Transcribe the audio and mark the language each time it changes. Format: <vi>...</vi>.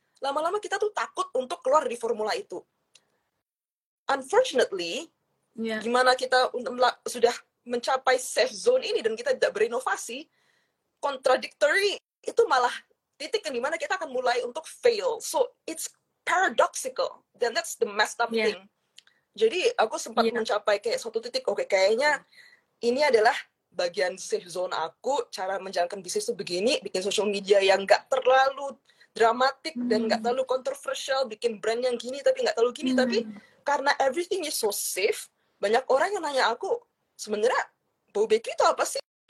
<id>Lama-lama kita tuh takut untuk keluar dari formula itu.</id> <en>Unfortunately,</en> <id>gimana kita sudah mencapai</id> <en>safe zone</en> <id>ini dan kita tidak berinovasi,</id> <en>contradictory</en> <id>itu malah titik yang dimana kita akan mulai untuk fail.</id> <en>So it's paradoxical, then that's the messed up thing.</en> <id>Jadi aku sempat mencapai kayak suatu titik, okay, kayaknya ini adalah bagian</id> <en>safe zone</en> <id>aku, cara menjalankan bisnis itu begini, bikin</id> <en>social media</en> <id>yang gak terlalu dramatik dan gak terlalu kontroversial, bikin brand yang gini tapi gak terlalu gini, tapi karena</id> <en>everything is so safe,</en> <id>banyak orang yang nanya aku, sebenarnya Bobeki itu apa sih?</id>